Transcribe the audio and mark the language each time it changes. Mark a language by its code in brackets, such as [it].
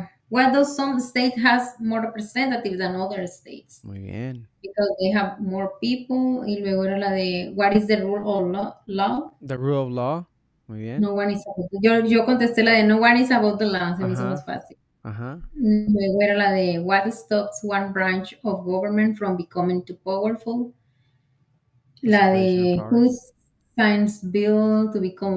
[en] What do some states have more representatives than other states? [es] Muy bien. [en] Because they have more people. [es] Y luego era la de [en] What is the rule of law? The rule of law. [es] Muy bien. [en] No one is above the law. [es] Yo contesté la de [en] No one is above the law, [es] se me hizo más fácil. Luego era la de [en] What stops one branch of government from becoming too powerful? The [es] La [en] separation of [es] de [en] powers. Who signs bill to become